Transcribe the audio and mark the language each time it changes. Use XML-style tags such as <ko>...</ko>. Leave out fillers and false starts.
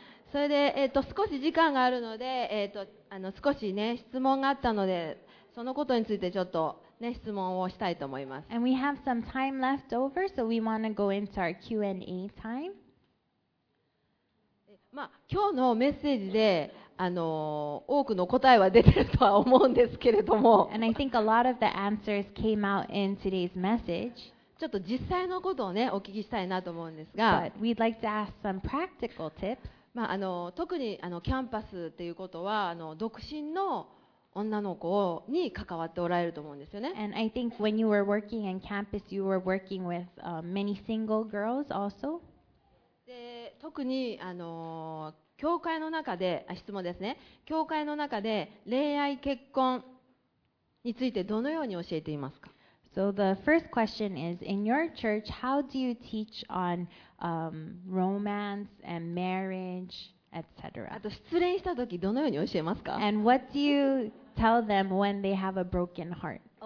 <ja>それで、少し時間があるので、少し、ね、質問があったのでそのことについてちょっと、ね、質問をしたいと思います。</ja> <en>And we have some time left over, so we want to go into our Q&A time.、</en> <ja>まあ、今日のメッセージで多くの答えは出てるとは思うんですけれども、</ja> <en>And I think a lot of the answers came out in today's message.</en> <ja>ちょっと実際のことを、ね、お聞きしたいなと思うんですが、</ja> <en>we'd like to ask some practical tips.</en> <ja>まあ、特にキャンパスっていうことは独身の女の子に関わっておられると思うんですよね。</ja> <en>And I think when you were working in campus, you were working with many single girls also.</en> <ja>で、特に教会の中で、質問ですね。教会の中で恋愛結婚についてどのように教えていますか？</ja> <en>So the first question is, in your church, how do you teach on romance and marriage, etc.?</en> <ja>あと失恋した時どのように教えますか？</ja> <en>And what do you tell them when they have a broken heart?</en>